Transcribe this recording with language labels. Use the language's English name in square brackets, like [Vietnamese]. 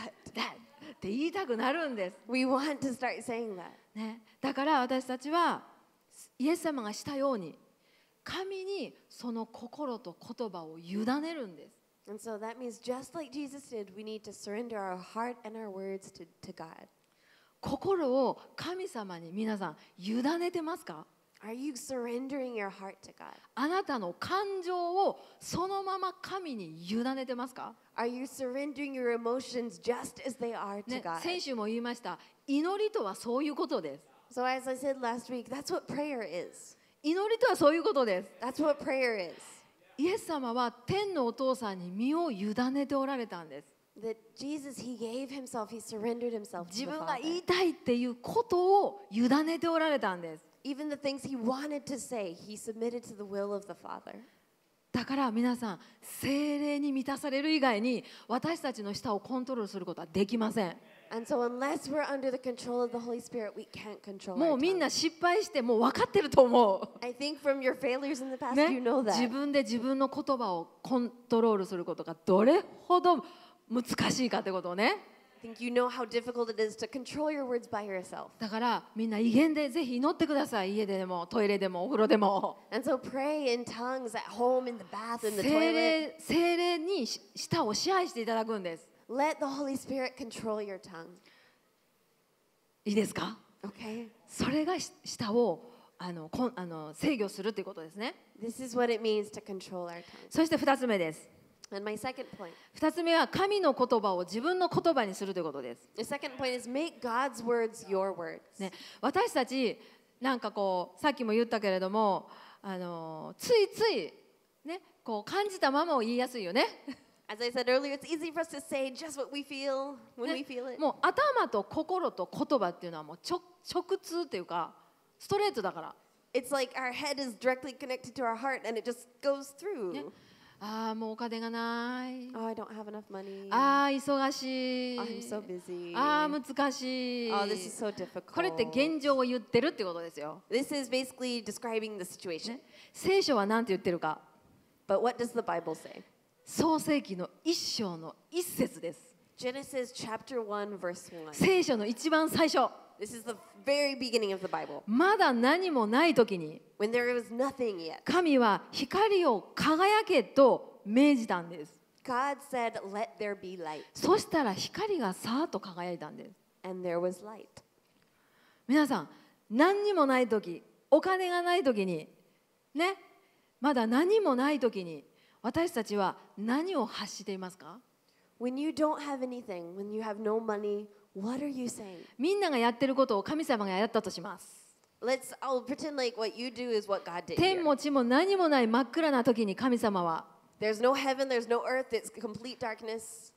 [Japanese] って言いたくなるんです。 [English] We want to start saying that. [Japanese] ね。だから私たちはイエス様がしたように神にその心と言葉を委ねるんです。 [English] And so that means just like Jesus did, we need to surrender our heart and our words to God. [Japanese] 心を神様に皆さん委ねてますか？ [English] Are you surrendering your heart to God? [Japanese] あなたの感情をそのまま神に委ねてますか？ [English] Are you surrendering your emotions just as they are to God? [Japanese] 先週も言いました。祈りとはそういうことです。 [English] So as I said last week, that's what prayer is. [Japanese] 祈りとはそういうことです。 [English] That's what prayer is. [Japanese] イエス様は天のお父さんに身を委ねておられたんです。 [English] That Jesus, he gave himself, he surrendered himself to the Father. [Japanese] 自分が言いたいっていうことを委ねておられたんです。 [English] Even the things he wanted to say, he submitted to the will of the Father. [Japanese] だから皆さん、聖霊に満たされる以外に私たちの舌をコントロールすることはできません。 [English] And so unless we're under the control of the Holy Spirit, we can't control our tongue. [Japanese] もうみんな失敗してもう分かってると思う。 [English] I think from your failures in the past, you know that. [Japanese] 自分で自分の言葉をコントロールすることがどれほど難しいかってことをね。 [English] I think you know how difficult it is to control your words by yourself. [Japanese] だからみんな異言でぜひ祈ってください。家でもトイレでもお風呂でも。 [English] And so pray in tongues at home, in the bath, in the toilet. [Japanese] 聖霊に舌を支配していただくんです。 [English] Let the Holy Spirit control your tongue. [Japanese] いいですか？ [English] Okay. [Japanese] それが舌をあの制御するということですね。 [English] This is what it means to control our tongue. [Japanese] そして二つ目です。 [English] And my second point. [Japanese] 二つ目は神の言葉を自分の言葉にするということです。 [English] The second point is make God's words your words. [Japanese] ね、私たちなんかこうさっきも言ったけれども、ついついね、こう感じたままを言いやすいよね。 [English] As I said earlier, it's easy for us to say just what we feel when、ね、we feel it. [Japanese] もう頭と心と言葉っていうのはもう直通っていうかストレートだから。 [English] It's like our head is directly connected to our heart, and it just goes through.、ね、 [Japanese] ああもうお金がない。 [English] Oh, I don't have enough money. [Japanese] ああ忙しい。 [English] Oh, I'm so busy. [Japanese] ああ難しい。 [English] Oh, this is so difficult. [Japanese] これって現状を言ってるってことですよ。 [English] This is basically describing the situation.、 [Japanese] ね、聖書は何て言ってるか。 [English] But what does the Bible say? [Japanese] 創世記の一章の一節です。 [English] Genesis chapter 1 verse 1。 [Japanese] 聖書の一番最初。 [English] This is the very beginning of the Bible. [Japanese] まだ何もない時に、 [English] When there was nothing yet. [Japanese] 神は光を輝けと命じたんです。 [English] God said, "Let there be light." [Japanese] そしたら光がさーっと輝いたんです。 [English] And there was light. [Japanese] 皆さん、何にもない時、お金がない時に、ね、まだ何もない時に、私たちは何を発していますか？ [English] When you don't have anything, when you have no money, what are you saying? [Japanese] みんながやってることを神様がやったとします。 [English] Let's all pretend like what you do is what God did. [Japanese] 天も地も何もない真っ暗な時に神様は、 [English] There's no heaven, there's no earth, it's complete darkness.